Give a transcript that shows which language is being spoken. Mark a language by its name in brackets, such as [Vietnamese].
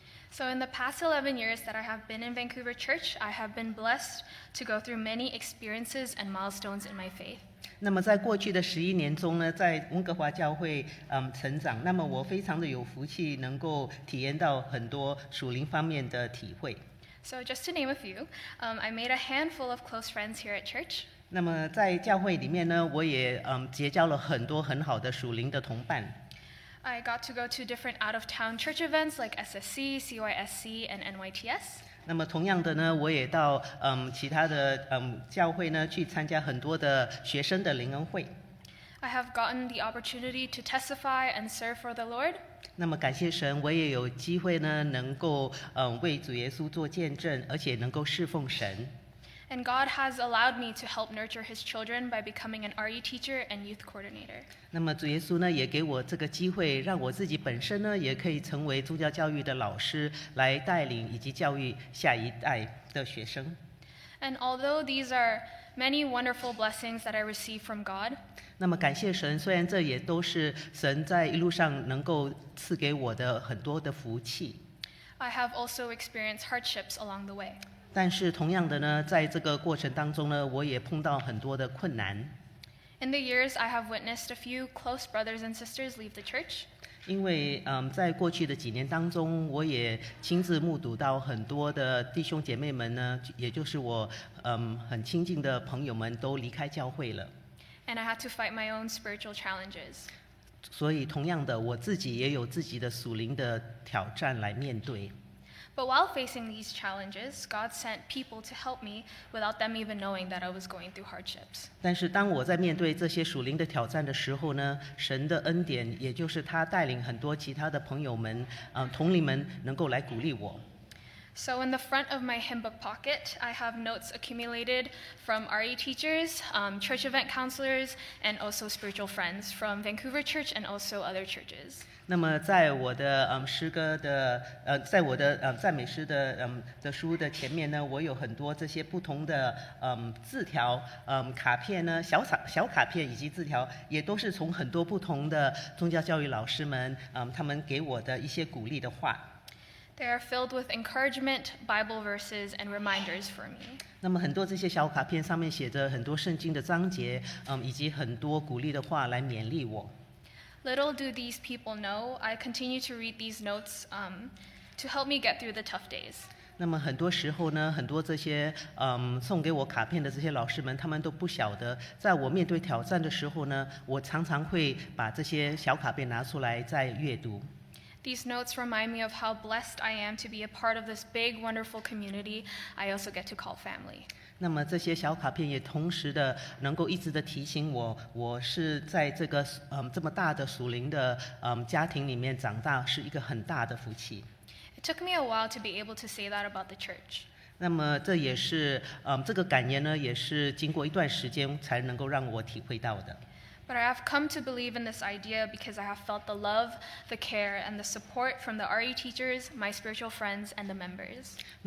[English] So in the past 11 years that I have been in Vancouver Church, I have been blessed to go through many experiences and milestones in my faith. [Chinese] 那么在过去的十一年中呢，在温哥华教会成长，那么我非常的有福气能够体验到很多属灵方面的体会。 [English] So just to name a few, I made a handful of close friends here at church. [Chinese] 那么在教会里面呢，我也结交了很多很好的属灵的同伴。 [English] I got to go to different out-of-town church events like SSC, CYSC, and NYTS. [Chinese] 那么同样的呢，我也到其他的教会呢去参加很多的学生的灵恩会。 [English] I have gotten the opportunity to testify and serve for the Lord. [Chinese] 那么感谢神，我也有机会呢能够为主耶稣做见证，而且能够侍奉神。 [English] And God has allowed me to help nurture His children by becoming an RE teacher and youth coordinator. [Chinese] 那么主耶稣呢，也给我这个机会，让我自己本身呢，也可以成为宗教教育的老师，来带领以及教育下一代的学生。 [English] And although these are many wonderful blessings that I receive from God, [Chinese] 那么感谢神，虽然这也都是神在一路上能够赐给我的很多的福气。 [English] I have also experienced hardships along the way. [Chinese] 但是同样的呢，在这个过程当中呢，我也碰到很多的困难。 [English] In the years, I have witnessed a few close brothers and sisters leave the church. [Chinese] 因为在过去的几年当中，我也亲自目睹到很多的弟兄姐妹们呢，也就是我很亲近的朋友们都离开教会了。 [English] And I had to fight my own spiritual challenges. [Chinese] 所以同样的，我自己也有自己的属灵的挑战来面对。 [English] But while facing these challenges, God sent people to help me without them even knowing that I was going through hardships. [Chinese] 但是当我在面对这些属灵的挑战的时候呢，神的恩典，也就是他带领很多其他的朋友们，同龄们能够来鼓励我。 [English] So in the front of my hymn book pocket, I have notes accumulated from RE teachers, church event counselors, and also spiritual friends from Vancouver Church and also other churches. [Chinese] 那么在我的诗歌的在我的赞美诗的的书的前面呢，我有很多这些不同的字条卡片呢，小卡片以及字条，也都是从很多不同的宗教教育老师们他们给我的一些鼓励的话。 [English] They are filled with encouragement, Bible verses, and reminders for me. [Chinese] 那么很多这些小卡片上面写着很多圣经的章节, 以及很多鼓励的话 来勉励我。 [English] Little do these people know, I continue to read these notes to help me get through the tough days. [Chinese] 那么很多时候呢, 很多这些, 送给我卡片的这些老师们, 他们都不晓得, 在我面对挑战的时候呢, 我常常会把这些小卡片拿出来, 再阅读。 [English] These notes remind me of how blessed I am to be a part of this big, wonderful community I also get to call family. [Chinese] 那么这些小卡片也同时的能够一直的提醒我, 我是在这个, 这么大的属灵的, 家庭里面长大, 是一个很大的福气。 [English] It took me a while to be able to say that about the church. [Chinese] 那么这也是, 这个感言呢, 也是经过一段时间才能够让我体会到的。 [English] But I have come to believe in this idea because I have felt the love, the care, and the support from the RE teachers, my spiritual friends, and the members.